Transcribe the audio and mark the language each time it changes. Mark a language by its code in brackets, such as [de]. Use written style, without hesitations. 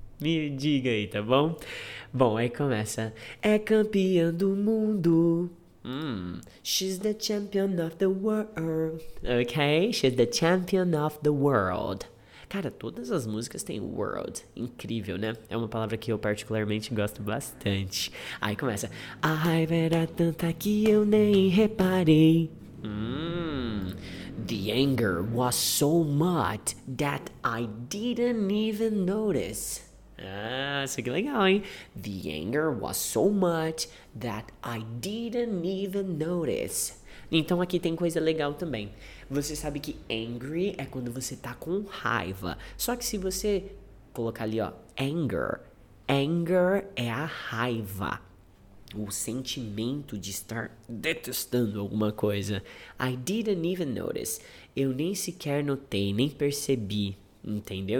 [pt] Me diga aí, tá bom? Bom, aí começa. É campeã do mundo. [en] She's the champion of the world. Okay? She's the champion of the world. Cara, todas as músicas têm world. Incrível, né? [pt] É uma palavra que eu particularmente gosto bastante. Aí começa. A raiva era tanta que eu nem reparei. [en] The anger was so much that I didn't even notice. [pt] Ah, isso aqui é legal, hein? [en] The anger was so much that I didn't even notice. [pt] Então aqui tem coisa legal também. Você sabe que angry é quando você tá com raiva. Só que se você colocar ali, ó, anger, anger é a raiva. O sentimento de estar detestando alguma coisa. [en] I didn't even notice. [pt] Eu nem sequer notei, nem percebi. Entendeu?